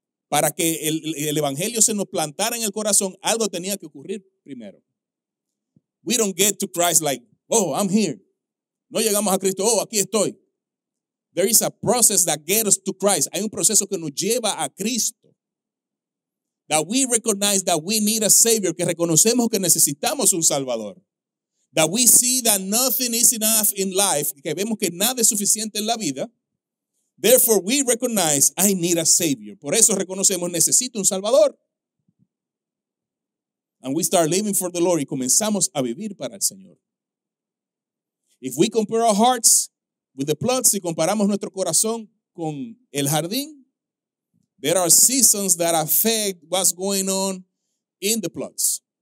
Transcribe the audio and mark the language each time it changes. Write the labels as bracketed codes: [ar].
[es] Para que el evangelio se nos plantara en el corazón, algo tenía que ocurrir primero. [en] We don't get to Christ like, oh, I'm here. [es] No llegamos a Cristo. Oh, aquí estoy. [en] There is a process that gets us to Christ. [es] Hay un proceso que nos lleva a Cristo. [en] That we recognize that we need a Savior. [es] Que reconocemos que necesitamos un Salvador. [en] That we see that nothing is enough in life. [es] Que vemos que nada es suficiente en la vida. [en] Therefore, we recognize I need a Savior. [es] Por eso reconocemos necesito un Salvador. [en] And we start living for the Lord. [es] Y comenzamos a vivir para el Señor. [en] If we compare our hearts with the plot, [es] si comparamos nuestro corazón con el jardín, [en] there are seasons that affect what's going on in the plots.